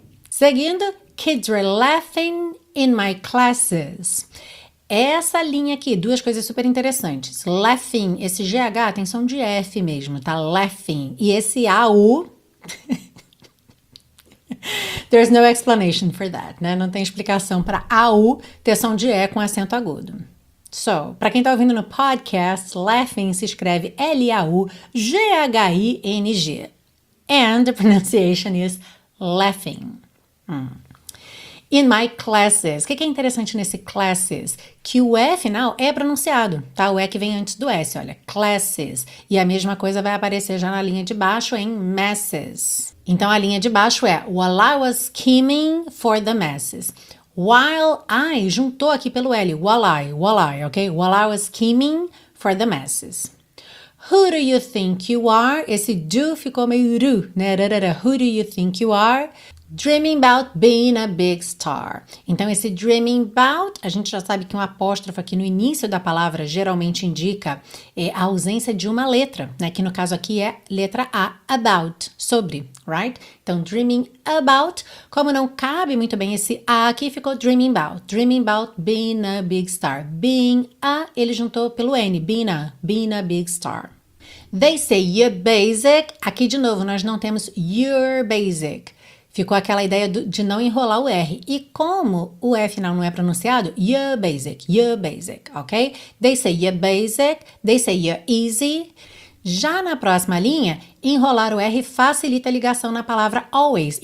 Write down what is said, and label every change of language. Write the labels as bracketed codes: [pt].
[en] Seguindo, kids were laughing in my classes. [pt] Essa linha aqui, duas coisas super interessantes. Laughing, esse GH tem som de F mesmo, tá? Laughing. E esse AU... [en] There's no explanation for that, né? [pt] Não tem explicação para AU ter som de E com acento agudo. So, para quem tá ouvindo no podcast, laughing se escreve L-A-U-G-H-I-N-G. [en] And the pronunciation is laughing. In my classes. [pt] O que é interessante nesse classes? Que o E final é pronunciado, tá? O E que vem antes do S, olha. Classes. E a mesma coisa vai aparecer já na linha de baixo em masses. Então, a linha de baixo é [en] while I was scheming for the masses. [pt] While I juntou aqui pelo L. [en] While I, ok? While I was scheming for the masses. Who do you think you are? [pt] Esse do ficou meio ru, né? [en] Who do you think you are? Dreaming about being a big star. [pt] Então, esse dreaming about, a gente já sabe que um apóstrofo aqui no início da palavra geralmente indica a ausência de uma letra, né? Que no caso aqui é letra A, about, sobre, right? Então, dreaming about, como não cabe muito bem esse A aqui, ficou dreaming about. [en] Dreaming about being a big star. [pt] Being a, ele juntou pelo N, being a big star. [en] They say you're basic. [pt] Aqui, de novo, nós não temos you're basic. Ficou aquela ideia de não enrolar o R. E como o E final não é pronunciado, you're basic, ok? [en] They say you're basic, they say you're easy. [pt] Já na próxima linha, enrolar o R facilita a ligação na palavra always.